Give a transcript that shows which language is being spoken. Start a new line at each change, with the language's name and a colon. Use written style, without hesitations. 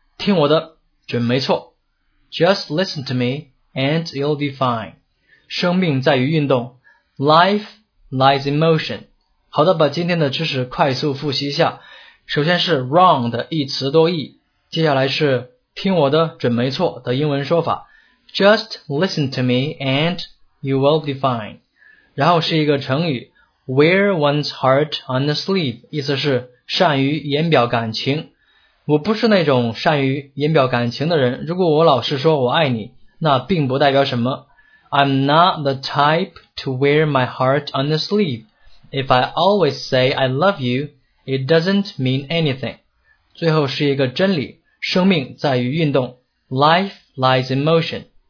Chinese: 听我的，准没错。 Just listen to me.
English: And you'll be fine. 生命在于运动。 Life lies in motion.
Chinese: 好的，把今天的知识快速复习一下。首先是 wrong 的一词多义。接下来是听我的准没错的英文说法。
English: Just listen to me and you will be fine.
Chinese: 然后是一个成语。 Wear one's heart on the sleeve. 意思是善于言表感情。我不是那种善于言表感情的人。如果我老是说我爱你，那并不代表什么。
English: I'm not the type to wear my heart on the sleeve. If I always say I love you, it doesn't mean anything.
Chinese: 最后是一个真理，生命在于运动。
English: Life lies in motion.